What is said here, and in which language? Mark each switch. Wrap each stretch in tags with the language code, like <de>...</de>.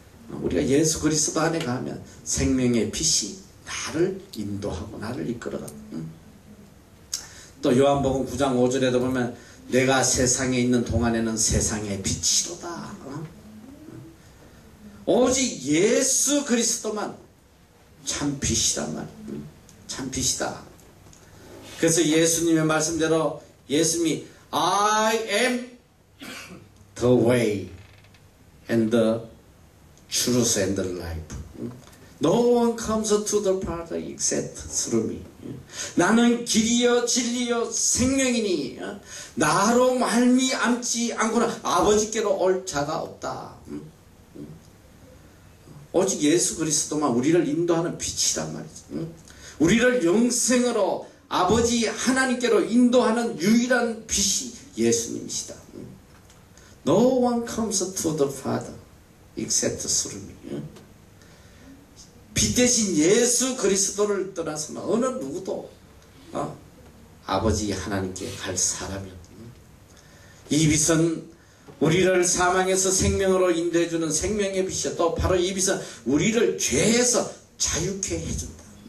<ko>우리가 예수 그리스도 안에 가면 생명의 빛이 나를 인도하고 나를 이끌어가. 또 요한복음 9장 5절에도 보면 내가 세상에 있는 동안에는 세상의 빛이로다. 오직 예수 그리스도만 참 빛이란 말이에요. 참 빛이다.</ko> <en>그래서 예수님의 말씀대로 예수님이 I am the way and the truth and the life. No one comes to the Father except through me.</en> <ko>나는 길이요 진리요 생명이니 나로 말미암지 않고는 아버지께로 올 자가 없다. 오직 예수 그리스도만 우리를 인도하는 빛이란 말이죠. 우리를 영생으로 아버지 하나님께로 인도하는 유일한 빛이 예수님이시다.</ko> <en>No one comes to the Father except through me.</en> <ko>빛 대신 예수 그리스도를 떠나서는 어느 누구도 아버지 하나님께 갈 사람이 없다. 이 빛은 우리를 사망에서 생명으로 인도해주는 생명의 빛이야. 또 바로 이 빛은 우리를 죄에서 자유케 해준다.</ko>